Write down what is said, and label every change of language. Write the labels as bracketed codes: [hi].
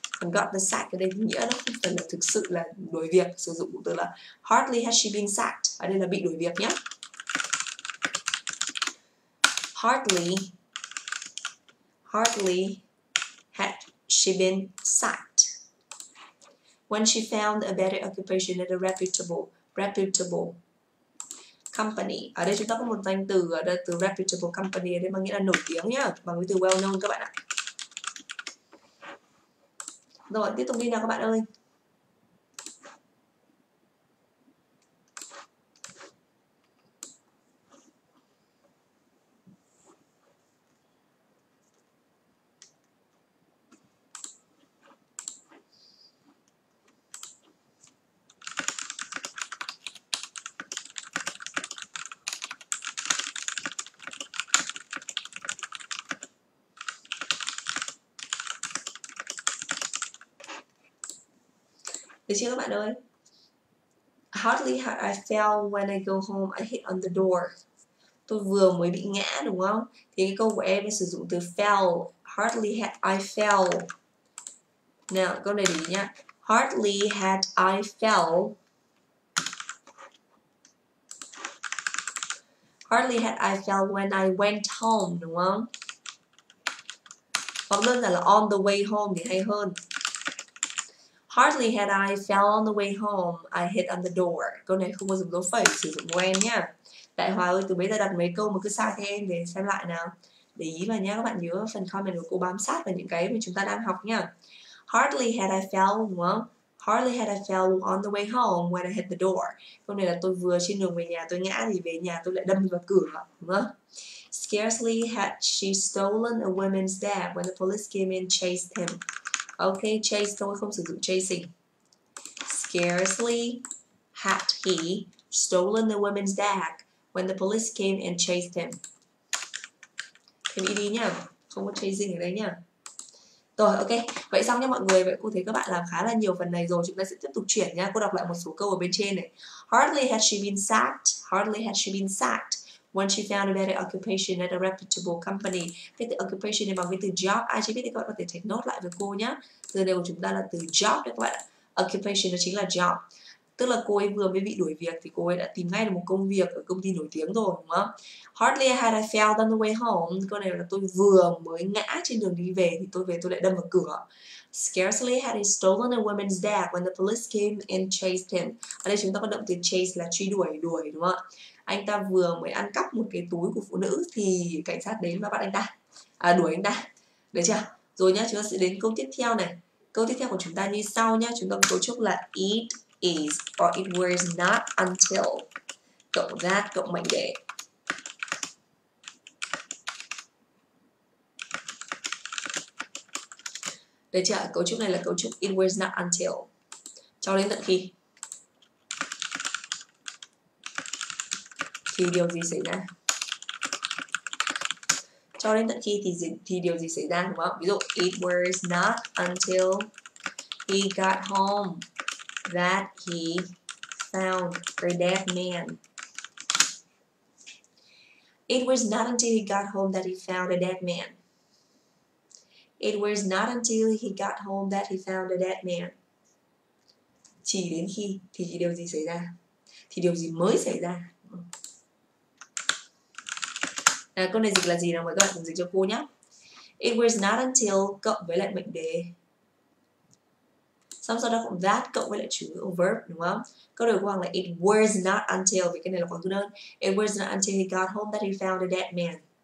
[vi] Còn [en] got the sack [vi] ở đây nghĩa nó không phải là thực sự là đuổi việc, sử dụng từ là [en] hardly had she been sacked. [vi] Ở đây là bị đuổi việc nhé. [en] Hardly had she been sacked when she found a better occupation at a reputable company. [vi] Ở đây chúng ta có một danh từ, ở đây từ [en] reputable company [vi] ở đây mang nghĩa là nổi tiếng nhá, bằng cái từ [en] well known [vi] các bạn ạ. Rồi tiếp tục đi nào các bạn ơi. Được chưa các bạn ơi? [en] Hardly had I fell when I go home, I hit on the door. [vi] Tôi vừa mới bị ngã đúng không? Thì cái câu của em sử dụng từ fell. [en] Hardly had I fell. [vi] Nào, câu này đi nhá. [en] Hardly had I fell Hardly had I felt when I went home, [vi] đúng không? Hoặc đơn giản là on the way home thì hay hơn. [en] Hardly had I felt on the way home, I hit on the door. [vi] Câu này không có dùng dấu phẩy, sử dụng when nhá. Đại Hòa ơi, từ mấy giờ đặt mấy câu mà cứ sai thế, em về xem lại nào. Để ý vào nhé, các bạn nhớ phần comment của cô bám sát vào những cái mà chúng ta đang học nhá. [en] Hardly had I felt, [vi] đúng không? [en] Hardly had I fell on the way home when I hit the door. [vi] Câu này là tôi vừa trên đường về nhà tôi ngã thì về nhà tôi lại đâm vào cửa, đúng không? [en] Scarcely had she stolen a woman's dab when the police came and chased him. [vi] Okay, chase, tôi không sử dụng chasing. [en] Scarcely had he stolen a woman's dab when the police came and chased him. [vi] Thêm ED nha, không có chasing ở đây nha. Rồi, ok. Vậy xong nha mọi người. Vậy cô thấy các bạn làm khá là nhiều phần này rồi. Chúng ta sẽ tiếp tục chuyển nha. Cô đọc lại một số câu ở bên trên này. [en] Hardly had she been sacked. Hardly had she been sacked when she found a better occupation at a reputable company. [vi] Thế từ occupation này bằng với từ job. Ai chưa biết thì các bạn có thể [en] take note [vi] lại với cô nhá. Từ này của chúng ta là từ job đấy các bạn ạ. Occupation nó chính là job. Tức là cô ấy vừa mới bị đuổi việc thì cô ấy đã tìm ngay được một công việc ở công ty nổi tiếng rồi, đúng không? [en] Hardly had I felt on the way home. [vi] Câu này là tôi vừa mới ngã trên đường đi về thì tôi về tôi lại đâm vào cửa. Scarcely had he stolen a woman's dab when the police came and chased him. Ở đây chúng ta có động từ chase là truy đuổi, đuổi, đúng không ạ? Anh ta vừa mới ăn cắp một cái túi của phụ nữ thì cảnh sát đến và bắt anh ta. À, đuổi anh ta. Được chưa? Rồi nhá, chúng ta sẽ đến câu tiếp theo này. Câu tiếp theo của chúng ta như sau nhá. Chúng ta có cấu trúc là [en] eat is or it was not until [vi] cộng that cộng mệnh đề. Đấy chưa, cấu trúc này là cấu trúc [en] it was not until, [vi] cho đến tận khi, khi điều gì xảy ra, cho đến tận khi thì điều gì xảy ra, đúng không? Ví dụ [en] it was not until he got home that he found a dead man. It was not until he got home that he found a dead man. It was not until he got home that he found a dead man. [vi] Chỉ đến khi thì điều gì xảy ra? Thì điều gì mới xảy ra? À, câu này dịch là gì nào mọi người? Cùng dịch cho cô nhé. [en] It was not until [vi] cộng với lại mệnh đề. Xong sau đó cộng that cộng với lại chủ ngữ verb, đúng không? Câu đổi qua là [en] it was not until, [vi] vì cái này là khoảng thứ đơn. [en] It was not until he got home that he found a dead man.